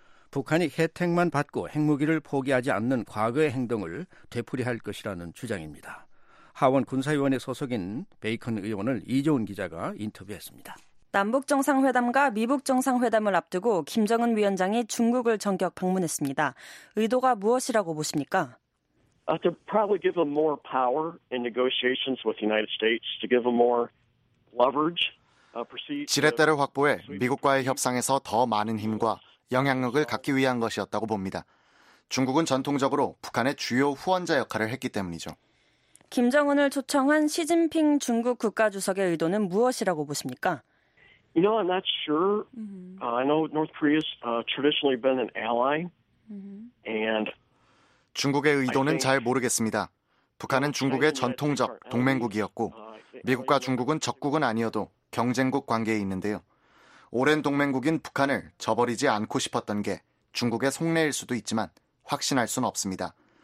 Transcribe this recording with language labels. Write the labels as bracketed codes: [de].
[ko] 북한이 혜택만 받고 핵무기를 포기하지 않는 과거의 행동을 되풀이할 것이라는 주장입니다. 하원 군사위원회 소속인 베이컨 의원을 이재훈 기자가 인터뷰했습니다. 남북정상회담과 미북정상회담을 앞두고 김정은 위원장이 중국을 전격 방문했습니다. 의도가 무엇이라고 보십니까? [en] To probably give them more power in negotiations with the United States, to give them more leverage. [ko] 지렛대를 확보해 미국과의 협상에서 더 많은 힘과 영향력을 갖기 위한 것이었다고 봅니다. 중국은 전통적으로 북한의 주요 후원자 역할을 했기 때문이죠. 김정은을 초청한 시진핑 중국 국가주석의 의도는 무엇이라고 보십니까? [en] You know, I'm not sure. I know North Korea's traditionally been an ally. And [ko] 중국의 의도는 잘 모르겠습니다. 북한은 중국의 전통적 동맹국이었고 미국과 중국은 적국은 아니어도 경쟁국 관계에 있는데요. 오랜 동맹국인 북한을 저버리지 않고 싶었던 게 중국의 속내일 수도 있지만 확신할 수는 없습니다.